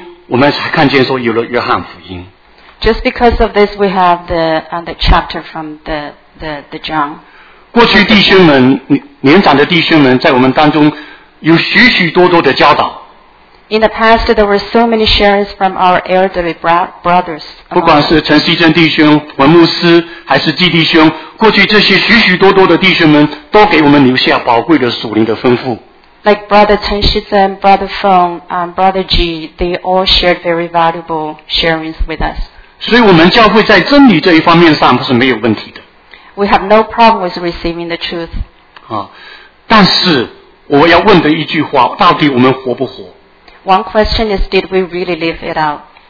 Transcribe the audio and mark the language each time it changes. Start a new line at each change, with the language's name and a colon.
Chinese: 所以主对今天的，所以也就是这个原因，我们才看见说有了约翰福音。
English: Just because of this, we have the chapter from the John.
Chinese: 过去弟兄们，年长的弟兄们，在我们当中有许许多多的教导。
English: In the past, there were so many sharings from our elderly brothers.
Chinese: 不管是陈锡珍弟兄、文牧师，还是季弟兄，过去这些许许多多的弟兄们，都给我们留下宝贵的属灵的吩咐。
English: Like Brother Chen Shizhen, Brother Feng, Brother G, they all shared very valuable sharings with us.
Chinese: 所以，我们教会在真理这一方面上不是没有问题的。
English: We have no problem with receiving the truth.
Chinese: 但是我要问的一句话，到底我们活不活？
English: One question is, did we really live it out?